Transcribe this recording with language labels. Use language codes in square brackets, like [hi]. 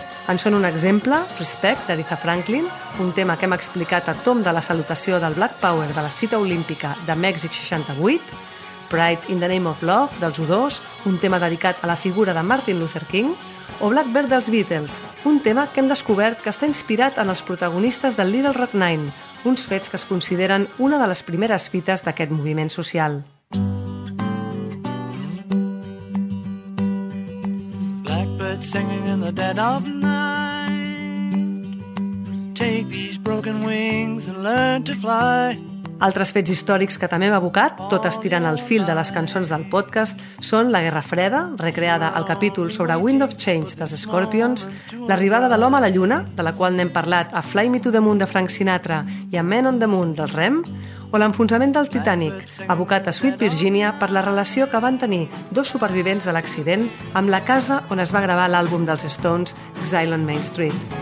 [ca] En són un exemple, Respect, d'Aretha Franklin, un tema que hem explicat a tomb de la salutació del Black Power de la cita olímpica de Mèxic 68, Pride in the Name of Love, dels U2, un tema dedicat a la figura de Martin Luther King, o Blackbird dels Beatles, un tema que hem descobert que està inspirat en els protagonistes del Little Rock Nine, uns fets que es consideren una de les primeres fites d'aquest moviment social. [en] Blackbird singing in the dead of night, take these broken wings and learn to fly. [ca] Altres fets històrics que també hem abocat, tot estirant el fil de les cançons del podcast, són la Guerra Freda, recreada al capítol sobre Wind of Change dels Scorpions, l'arribada de l'home a la Lluna, de la qual n'hem parlat a Fly Me to the Moon de Frank Sinatra i a Man on the Moon dels REM, o l'enfonsament del Titanic, abocat a Sweet Virginia per la relació que van tenir dos supervivents de l'accident amb la casa on es va gravar l'àlbum dels Stones, Exile on Main Street.